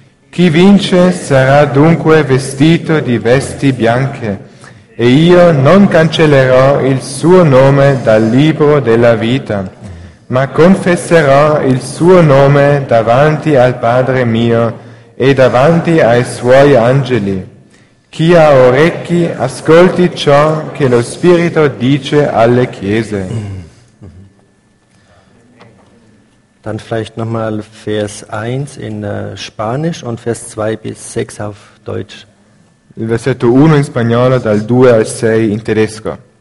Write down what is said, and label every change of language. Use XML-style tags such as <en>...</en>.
<it>Chi vince sarà dunque vestito di vesti bianche, e io non cancellerò il suo nome dal libro della vita, ma confesserò il suo nome davanti al Padre mio e davanti ai suoi angeli. Chi ha orecchi, ascolti ciò che lo Spirito dice alle chiese.</it> <de>Dann vielleicht nochmal Vers 1 in Spanisch und Vers 2 bis 6 auf Deutsch.</de> <it>Il versetto 1 in spagnolo, dal 2 al 6 in tedesco.</it>